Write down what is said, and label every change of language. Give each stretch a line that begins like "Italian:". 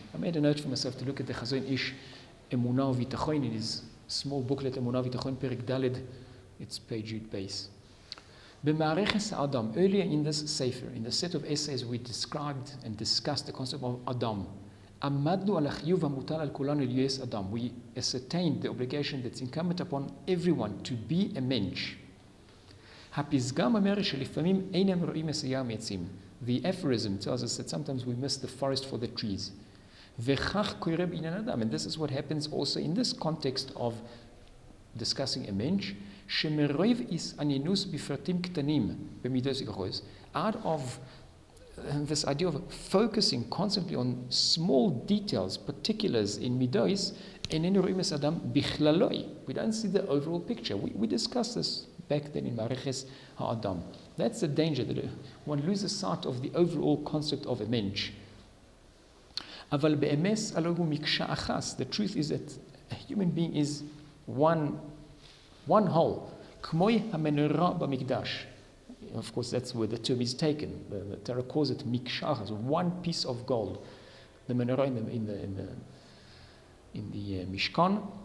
English: I made a note for myself to look at the Chazon Ish Emunah Vitachon in his small booklet, Emunah Vitachon Perik Dalet, it's page 8 base. B'Ma'areches Adam, earlier in this Sefer, in the set of essays we described and discussed the concept of Adam,
Hebrew: Amadnu al Achiyuv HaMutal al Kulan Liyos Adam,
English: we ascertained the obligation that's incumbent upon everyone to be a mensch.
Hebrew: הפסגם אומר שלפעמים אינם רואים מסייר מעצים.
English: The aphorism tells us that sometimes we miss the forest for the trees.
Hebrew: וכך קורה בעניין אדם.
English: And this is what happens also in this context of discussing a mensch.
Hebrew: שמרוב עניינוס בפרטים קטנים, במידות גבוהות,
English: out of this idea of focusing constantly on small details, particulars in midos,
Hebrew: איננו רואים את האדם בכללוי.
English: We don't see the overall picture. We discuss this back then in Ma'areches HaAdam. That's the danger, that one loses sight of the overall concept of a mensch.
Hebrew: אבל באמס אלו הוא מקשה אחת.
English: The truth is that a human being is one whole.
Hebrew: כמוי המנורה במקדש.
English: Of course, that's where the term is taken. The Torah calls it mikshah, it's one piece of gold. The menorah in the mishkan.